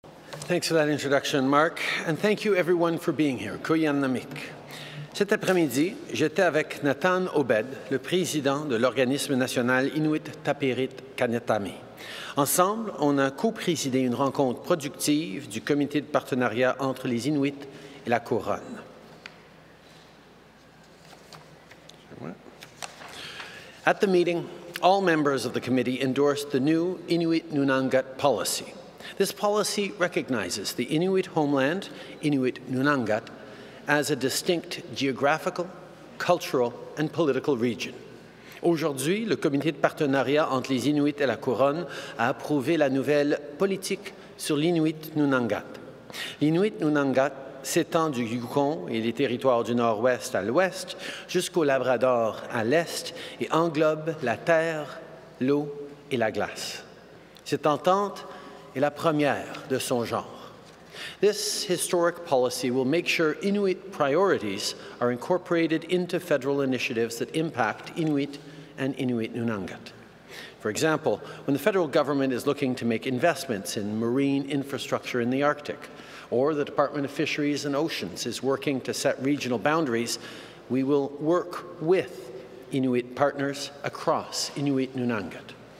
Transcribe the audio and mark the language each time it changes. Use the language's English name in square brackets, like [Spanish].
[English] Thanks for that introduction, Mark, and thank you everyone for being here. [Inuktitut] Kuyanamik. [French] Cet après-midi, j'étais avec Nathan Obed, le président de l'organisme national Inuit Tapirit Kanetami. Ensemble, on a co-présidé une rencontre productive du comité de partenariat entre les Inuits et la Couronne. [English] At the meeting, all members of the committee endorsed the new Inuit Nunangat Policy. This policy recognizes the Inuit homeland, Inuit Nunangat, as a distinct geographical, cultural, and political region. [French] Aujourd'hui, le comité de partenariat entre les Inuits et la Couronne a approuvé la nouvelle politique sur l'Inuit Nunangat. L'Inuit Nunangat s'étend du Yukon et les territoires du Nord-Ouest à l'Ouest jusqu'au Labrador à l'Est et englobe la terre, l'eau et la glace. Cette entente est la première de son genre. [English] This historic policy will make sure Inuit priorities are incorporated into federal initiatives that impact Inuit and Inuit Nunangat. For example, when the federal government is looking to make investments in marine infrastructure in the Arctic, or the Department of Fisheries and Oceans is working to set regional boundaries, we will work with Inuit partners across Inuit Nunangat.